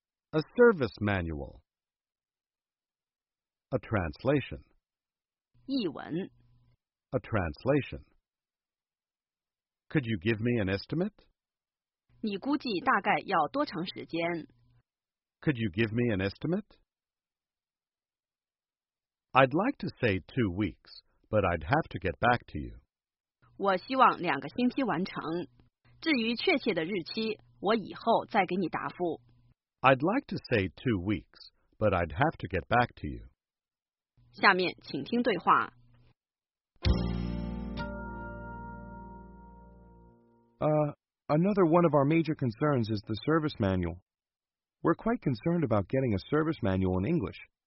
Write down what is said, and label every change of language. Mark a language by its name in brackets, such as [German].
[English] A service manual. A translation. [Chinese] 译文。 [English] A translation. Could you give me an estimate? [Chinese] 你估计大概要多长时间? [English] Could you give me an estimate? I'd like to say 2 weeks, but I'd have to get back to you. [Chinese] 我希望两个星期完成。至于确切的日期，我以后再给你答复。 [English] I'd like to say 2 weeks, but I'd have to get back to you. [Chinese] 下面请听对话。 [English] Another one of our major concerns is the service manual. We're quite concerned about getting a service manual in English.